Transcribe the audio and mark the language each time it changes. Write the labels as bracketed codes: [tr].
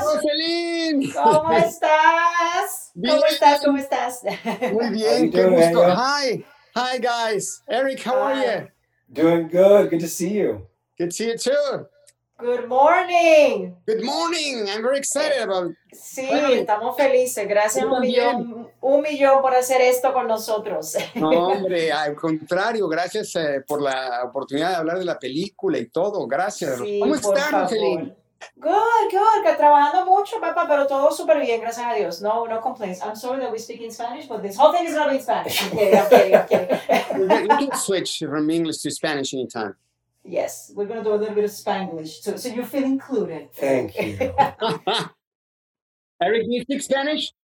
[es] Roseline. ¿Cómo estás? Bien. ¿Cómo estás? Muy bien. ¿Qué gusto? [en] Hi, guys. Eric, how Hi. Are you? Doing good. Good to see you. Good to see you too. Good morning. Good morning. I'm very excited about it. [es] Sí, bueno, estamos felices. Gracias un millón por hacer esto con nosotros. No, hombre, al contrario. Gracias por la oportunidad de hablar de la película y todo. Gracias. Sí, ¿cómo estás, Roselyn? [en] Good, [es] que trabajando mucho, papá, pero todo súper bien, gracias a Dios. [en] No complaints. I'm sorry that we speak in Spanish, but this whole thing is not in Spanish. Okay. We can switch from English to Spanish anytime. Yes, we're going to do a little bit of Spanglish, too, so you feel included. Thank you. Eric, do you speak Spanish?